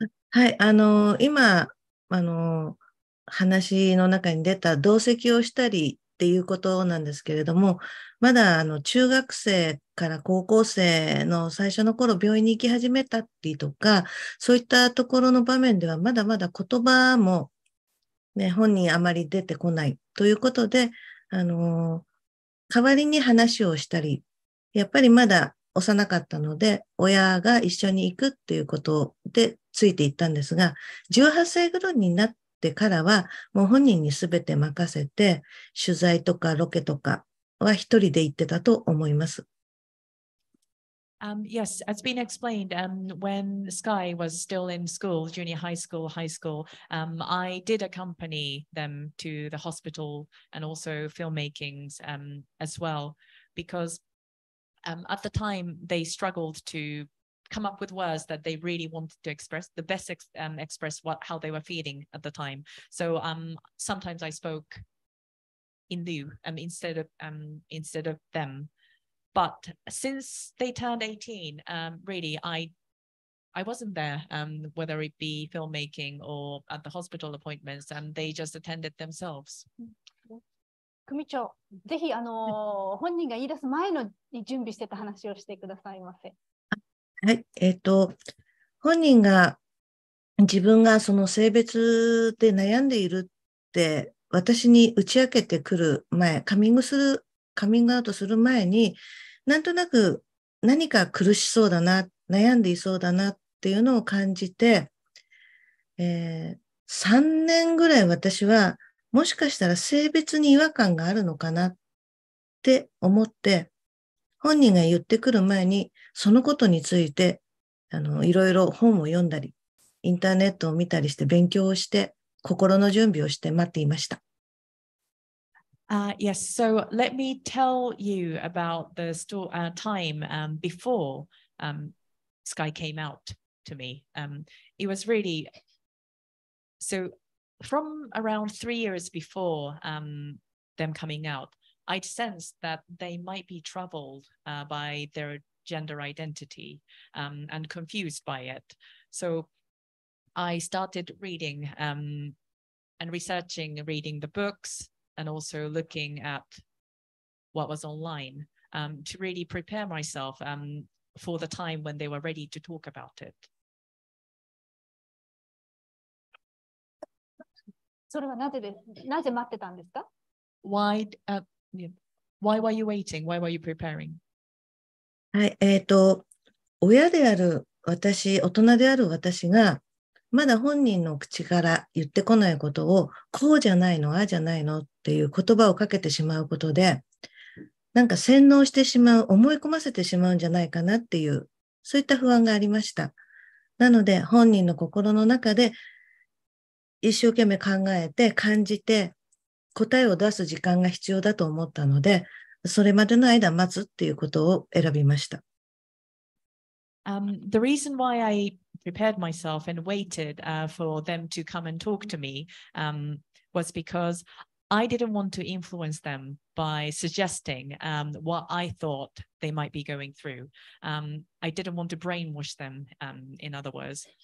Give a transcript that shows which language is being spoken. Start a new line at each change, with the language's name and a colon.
Japanese: はい、今、話の中に出た同席をしたりっていうことなんですけれども、まだ中学生から高校生の最初の頃病院に行き始めたりとか、そういったところの場面ではまだまだ言葉もね、本人あまり出てこないということで、代わりに話をしたり、やっぱりまだ幼かったので親が一緒に行くっていうことでついて行ったんですが、18歳ぐらいになってからはもう本人にすべて任せて取材とかロケとかは一人で行ってたと思います。
English: Yes, as been explained, when Sky was still in school, junior high school, high school, I did accompany them to the hospital and also filmmaking as well, because at the time they struggled to come up with words that they really wanted to express, the best express what how they were feeling at the time. So sometimes I spoke in lieu, instead of them. But since they turned 18, really, I wasn't there, whether it be filmmaking or at the hospital appointments, and they just attended themselves.
Japanese: 組長、ぜひ本人が言い出す前のに準備してた話をしてくださいませ。はい、本人が自分がその性別で悩んでいるって私に打ち明けてくる前、カミングアウトする前に、なんとなく何か苦しそうだな、悩んでいそうだなっていうのを感じて、 3年ぐらい私はもしかしたら性別に違和感があるのかなって思って、本人が言ってくる前にそのことについていろいろ本を読んだり、インターネットを見たりして勉強をして、心の準備をして待っていました。
English: Yes, so let me tell you about the time before Sky came out to me. It was really, so from around 3 years before them coming out, I'd sensed that they might be troubled by their gender identity and confused by it. So I started reading and researching, reading the books, and also looking at what was online to really prepare myself for the time when they were ready to talk about it.
Japanese: それはなぜで、なぜ待ってたんですか?
English: Why were you waiting? Why were you preparing?
Japanese: はい、親である私、大人である私がまだ本人の口から言ってこないことをこうじゃないの、ああじゃないのっていう言葉をかけてしまうことで、なんか洗脳してしまう、思い込ませてしまうんじゃないかなっていう、そういった不安がありました。なので本人の心の中で一生懸命考えて感じて答えを出す時間が必要だと思ったので、それまでの間待つっていうことを選びました。
English: The reason why I prepared myself and waited for them to come and talk to me was because I didn't want to influence them by suggesting what I thought they might be going through. I didn't want to brainwash them, in other words.